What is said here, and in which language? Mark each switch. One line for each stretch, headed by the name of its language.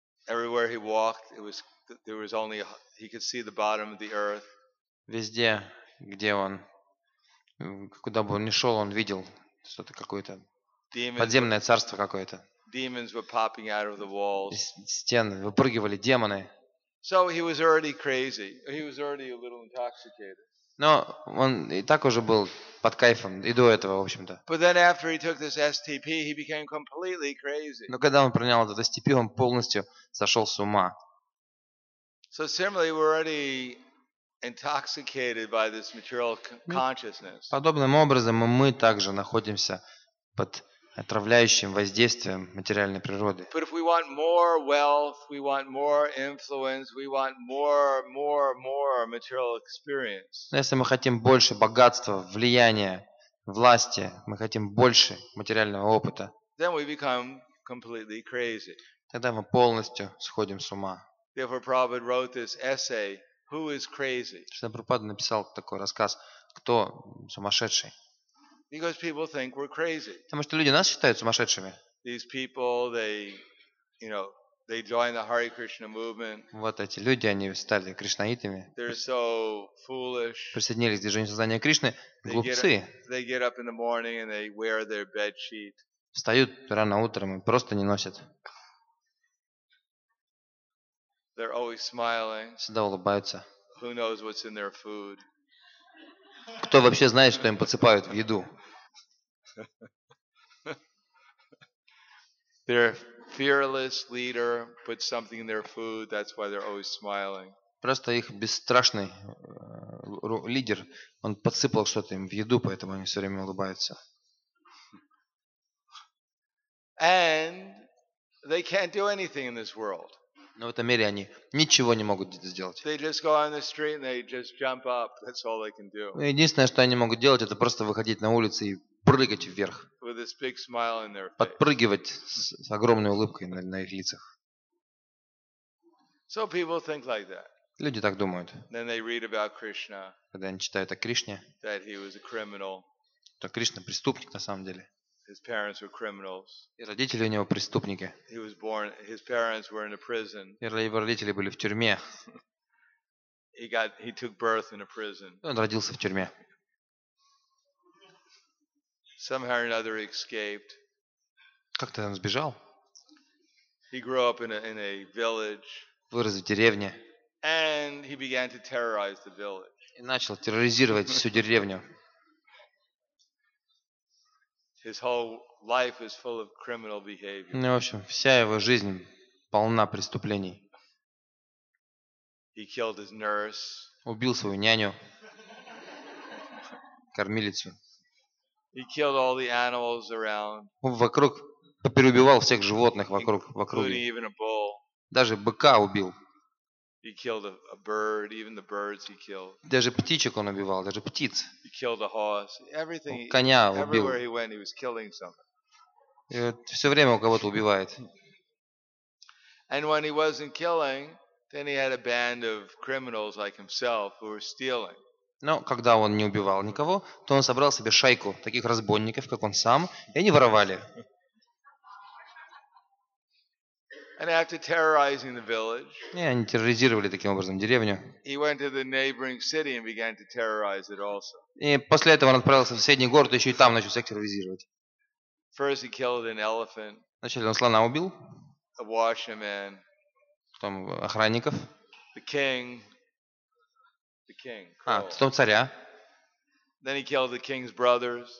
English: Everywhere he walked, he could see the bottom of the earth.
Russian: Везде, где он, куда бы он ни шел, он видел что-то какое-то подземное царство какое-то.
English: Demons were popping out of the walls.
Russian: Из стен выпрыгивали демоны.
English: So he was already crazy. He was already a little intoxicated.
Russian: Но он и так уже был под кайфом и до этого, в общем-то.
English: But then after he took this STP, he became completely crazy.
Russian: Но когда он принял этот STP, он полностью сошел с ума.
English: So similarly, we're already intoxicated by this material consciousness.
Russian: Подобным образом мы также находимся под отравляющим воздействием материальной природы.
English: But if we want more wealth, we want more influence, we want more material experience.
Russian: Но если мы хотим больше богатства, влияния, власти, мы хотим больше материального опыта,
English: then we become completely crazy.
Russian: Тогда мы полностью сходим с ума.
English: Therefore, Prabhupada wrote this essay, "Who is crazy?"
Russian: Прабхупада написал такой рассказ, кто сумасшедший.
English: Because people think we're crazy.
Russian: Потому что люди нас считают сумасшедшими.
English: These people, they join the Hare Krishna movement.
Russian: Вот эти люди, они стали кришнаитами.
English: They're so foolish.
Russian: Присоединились к движению сознания Кришны. Глупцы.
English: They get up in the morning and they wear their bed sheet.
Russian: Встают рано утром и просто не носят.
English: They're always smiling.
Russian: Всегда улыбаются.
English: Who knows what's in their food?
Russian: Кто вообще знает, что им подсыпают в еду?
English: Their fearless leader puts something in their food, that's why they're always smiling.
Russian: Просто их бесстрашный лидер, он подсыпал что-то им в еду, поэтому они все время улыбаются.
English: And they can't do anything in this world.
Russian: Но в этом мире они ничего не могут сделать.
English: They just go on the street and they just jump up. That's all they can do.
Russian: Единственное, что они могут делать, это просто выходить на улицу и прыгать вверх.
English: With this big smile in their face.
Russian: Подпрыгивать с огромной улыбкой на их лицах.
English: So people think like that.
Russian: Люди так думают.
English: Then they read about Krishna.
Russian: Когда они читают о Кришне.
English: That he was a criminal.
Russian: То Кришна преступник на самом деле.
English: His parents were criminals.
Russian: И родители у него преступники.
English: He was born. His parents were in a prison.
Russian: И его родители были в тюрьме.
English: He took birth in a prison.
Russian: Он родился в тюрьме.
English: Somehow or another, he escaped.
Russian: Как-то он сбежал.
English: He grew up in a village.
Russian: Вырос в деревне.
English: And he began to terrorize the village.
Russian: И начал терроризировать всю деревню.
English: His whole life is full of criminal behavior.
Russian: Ну, в общем, вся его жизнь полна преступлений.
English: He killed his nurse.
Russian: Убил свою няню, кормилицу.
English: He killed all the animals around.
Russian: Вокруг переубивал всех животных вокруг.
English: Including even a bull.
Russian: Даже быка убил.
English: He killed a bird, even the birds he killed.
Russian: Даже птичек он убивал, даже птиц.
English: He killed a horse. Everything.
Russian: Коня убил.
English: Everywhere he went, he was killing something.
Russian: Все время у кого-то убивает.
English: And when he wasn't killing, then he had a band of criminals like himself who were stealing.
Russian: Но когда он не убивал никого, то он собрал себе шайку таких разбойников, как он сам, и они воровали.
English: And after terrorizing the village,
Russian: они терроризировали таким образом деревню.
English: He went to the neighboring city and began to terrorize it also.
Russian: И после этого он отправился в соседний город и еще и там начал всех терроризировать.
English: First he killed an elephant.
Russian: Сначала он слона убил.
English: A watchman.
Russian: Потом охранников.
English: The king. The king.
Russian: А, потом царя.
English: Then he killed the king's brothers.